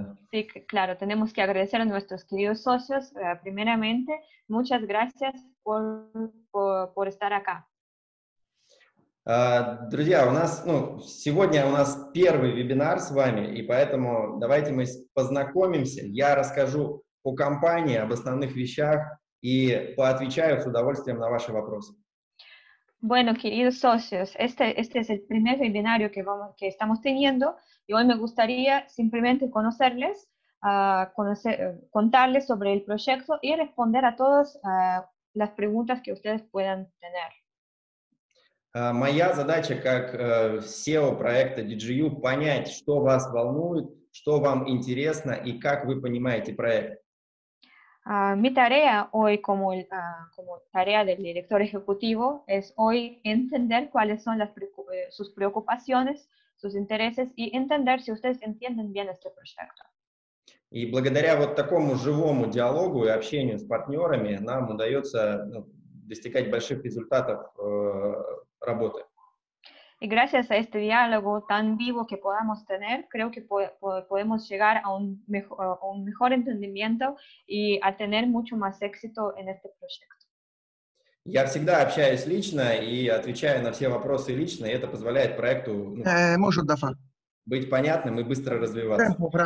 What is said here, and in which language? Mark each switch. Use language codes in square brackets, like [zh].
[es] Sí, claro, tenemos que agradecer a nuestros queridos socios, primeramente, muchas gracias por estar acá. [ru] Друзья, у нас, ну, сегодня у нас первый вебинар с вами, и поэтому давайте мы познакомимся. Я расскажу о компании, об основных вещах и поотвечаю с удовольствием на ваши вопросы. [es] Bueno, queridos socios, este es el primer webinario que estamos teniendo, y hoy me gustaría simplemente conocerles, contarles sobre el proyecto y responder a todas las preguntas que ustedes puedan tener. [ru] Моя задача как SEO проекта DGU — понять, что вас волнует, что вам интересно и как вы понимаете проект. [es] Mi tarea hoy como tarea del director ejecutivo es hoy entender cuáles son sus preocupaciones, sus intereses y entender si ustedes entienden bien este proyecto. [ru] И благодаря вот такому живому диалогу и общению с партнерами нам удается, ну, достигать больших результатов работы. [es] Y gracias a este diálogo tan vivo que podamos tener, creo que podemos llegar a un mejor entendimiento y a tener mucho más éxito en este proyecto. [ru] Я всегда общаюсь лично и отвечаю на все вопросы лично, и это позволяет проекту, ну, быть понятным и быстро развиваться.